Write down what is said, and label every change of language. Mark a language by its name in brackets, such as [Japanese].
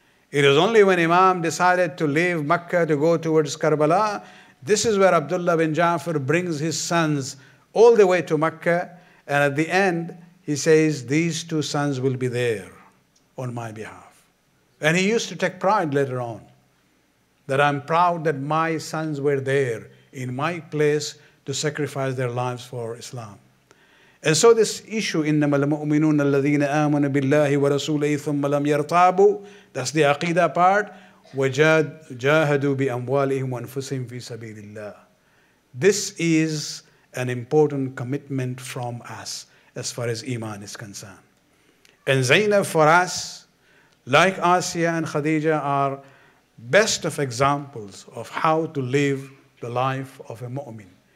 [English] It was only when Imam decided to leave Mecca to go towards Karbala, this is where Abdullah bin Ja'far brings his sons all the way to Mecca, and at the end, he says, these two sons will be there on my behalf. And he used to take pride later on, that I'm proud that my sons were there in my place to sacrifice their lives for Islam. And so this issue, [Arabic] إِنَّمَا الْمُؤْمِنُونَ الَّذِينَ آمَنُوا بِاللَّهِ وَرَسُولِهِ ثُمَّ لَمْ يَرْتَابُوا, [English] that's the Aqidah part, [Arabic] وَجَاهَدُوا بِأَمْوَالِهِمْ وَأَنفُسِهِمْ فِي سَبِيلِ اللَّهِ. [English] This is an important commitment from us as far as Iman is concerned. And Zainab for us, like Asiya and Khadijah, are best of examples of how to live the life of a mu'min.